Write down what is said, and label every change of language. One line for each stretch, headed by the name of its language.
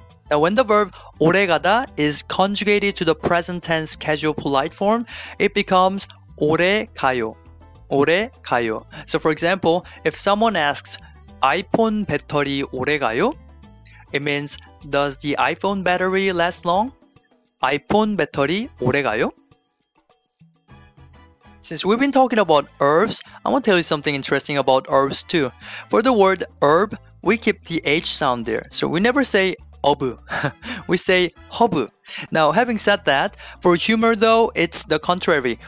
English: Now, when the verb 오래가다 is conjugated to the present tense casual polite form, it becomes 오래가요.
Korean: 오래가요.
English: So, for example, if someone asks,
Korean: 아이폰 배터리 오래가요?
English: It means, does the iPhone battery last long?
Korean: 아이폰 배터리 오래가요?
English: Since we've been talking about herbs, I want to tell you something interesting about herbs too. For the word herb, we keep the H sound there. So, we never say obu. We say hobu. Now, having said that, for humor though, it's the contrary.